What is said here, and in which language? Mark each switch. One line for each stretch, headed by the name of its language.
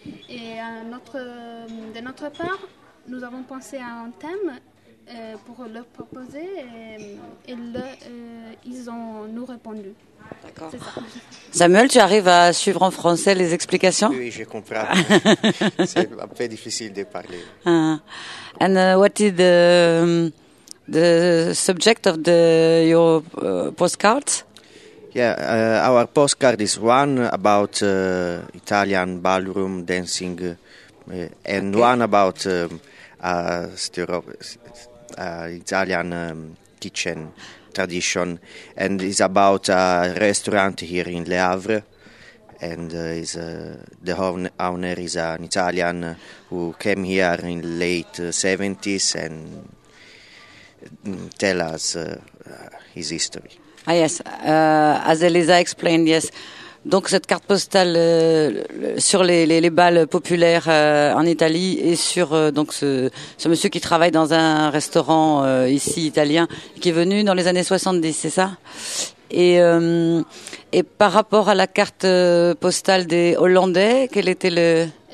French: Et de notre part, nous avons pensé à un thème pour leur proposer et ils ont nous répondu. D'accord. Samuel, tu arrives à suivre en français les explications ? Oui, j'ai compris. C'est un peu difficile de parler.
English: And what is the subject of your postcards? Yeah, our postcard is one about Italian ballroom dancing and one about Italian kitchen tradition, and it's about a restaurant here in Le Havre, and is the owner is an Italian who came here in late 70s and tell us his history. Ah yes, as Elisa explained, yes.
French: Donc cette carte postale sur les bals populaires en Italie et sur donc ce monsieur qui travaille dans un restaurant ici italien qui est venu dans les années 70, c'est ça ? Et par rapport à la carte postale des Hollandais, quel était le...